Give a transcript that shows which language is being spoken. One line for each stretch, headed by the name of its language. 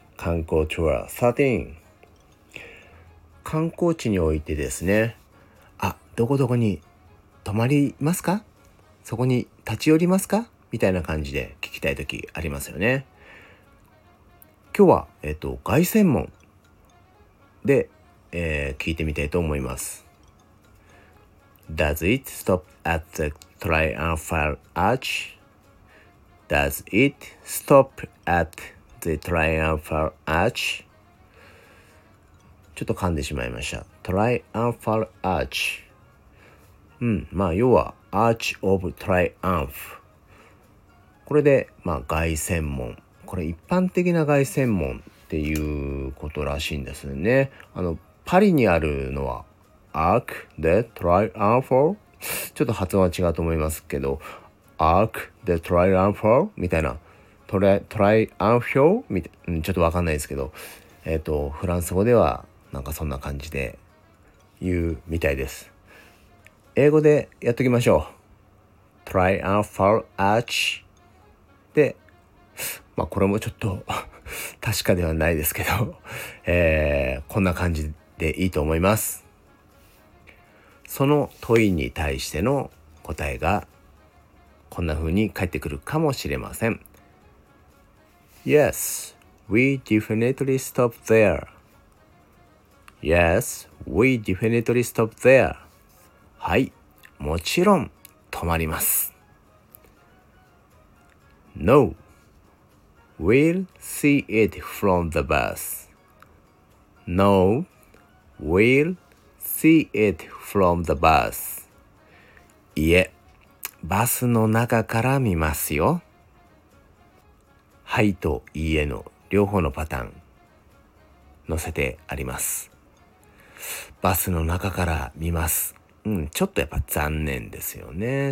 Japanese: 観光ツアー13。観光地においてですね、あ、どこどこに泊まりますか？そこに立ち寄りますか？みたいな感じで聞きたい時ありますよね。今日は、凱旋門で、聞いてみたいと思います。
English: Does it stop at the Triumphal Arch? Does it stop at the Triumphal Arch?
Japanese: ちょっと噛んでしまいました。Triumphal Arch、 まあ要は Arch of Triumph、 これで、まあ、凱旋門、これ一般的な凱旋門っていうことらしいんですよね。あのパリにあるのはアーク・デ・トライアンフォル、ちょっと発音は違うと思いますけど、アーク・デ・トライアンフォルみたいな、トライアンフォルみたいな、ちょっと分かんないですけど、フランス語ではなんかそんな感じで言うみたいです。英語でやっときましょう。トライアンフォルアーチで、まあこれもちょっと確かではないですけど、こんな感じでいいと思います。その問いに対しての答えがこんな風に返ってくるかもしれません。
English: Yes, we definitely stop there. Yes, we definitely stop there.
Japanese: はい、もちろん止まります。
English: No. We'll see it from the bus. No, we'll see it from the bus.
Japanese: いえ、バスの中から見ますよ。はいといいえの両方のパターン載せてあります。バスの中から見ます。ちょっとやっぱ残念ですよね。